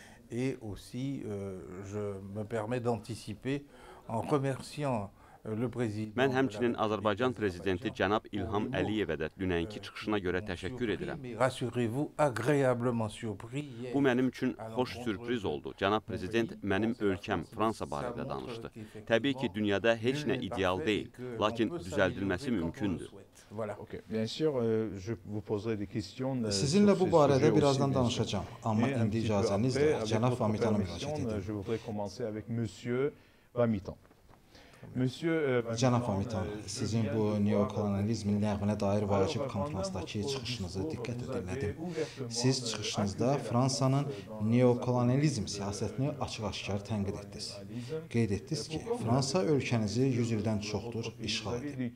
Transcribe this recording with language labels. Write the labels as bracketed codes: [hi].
[fr] Et aussi je me permets d'anticiper en remerciant le président. [az] Mən həmçinin Azərbaycan prezidenti cənab İlham Əliyevə də dünənki çıxışına görə təşəkkür edirəm. Bu mənim üçün xoş sürpriz oldu. Cənab prezident mənim ölkəm Fransa barədə danışdı. Təbii ki, dünyada heç nə ideal deyil, lakin düzəldilməsi mümkündür. [fr] Voilà. OK. Bien sûr, je vous poserai des questions. [az] Sizinlə bu barədə birazdan danışacağam, amma indi icazənizlə cənab Vamitana müraciət edirəm. [fr] Je voudrais commencer avec monsieur Vamiton. Monsieur [az] cənab Vamiton, sizin bu neokolonializmin ləğvinə dair vacib konfransdakı çıxışınızı diqqət edilmədim. Siz çıxışınızda Fransanın neokolonializm siyasətini açıq-aşkar tənqid etdiniz. Qeyd etdiniz ki, Fransa ölkənizi 100 ildən çoxdur işğal